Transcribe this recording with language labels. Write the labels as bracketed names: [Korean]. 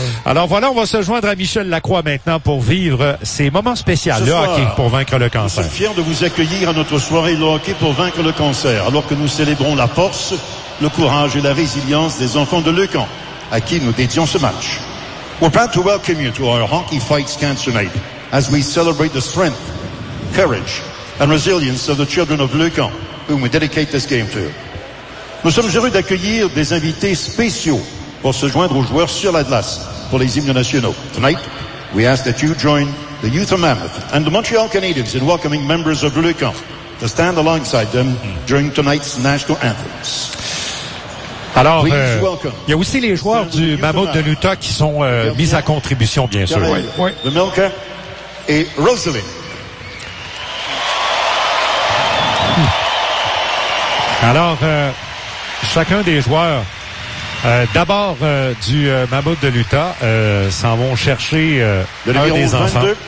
[French] Alors voilà, on va se joindre à Michel Lacroix maintenant pour vivre ces moments spéciaux de hockey pour vaincre le cancer. Je suis fier de vous accueillir à notre soirée de hockey pour vaincre le cancer, alors que nous célébrons la force, le courage et la résilience des enfants de Leucan, à qui nous dédions ce match. [English] We're proud to welcome you to our Hockey Fights Cancer Night as we celebrate the strength, courage and resilience of the children of Leucan, whom we dedicate this game to. [French] Nous sommes heureux d'accueillir des invités spéciaux pour se joindre aux joueurs sur la glace pour les hymnes nationaux. [English] Tonight, we ask that you join the youth of Mammoth and the Montreal Canadiens in welcoming members of Leucan to stand alongside them during tonight's national anthems. [French] Alors, il y a aussi les joueurs du Mammoth de l'Utah qui sont mis à contribution, bien sûr. Oui. The Milka et Rosalie. Alors, chacun des joueurs, d'abord du Mammoth de l'Utah, s'en vont chercher un des 22, enfants.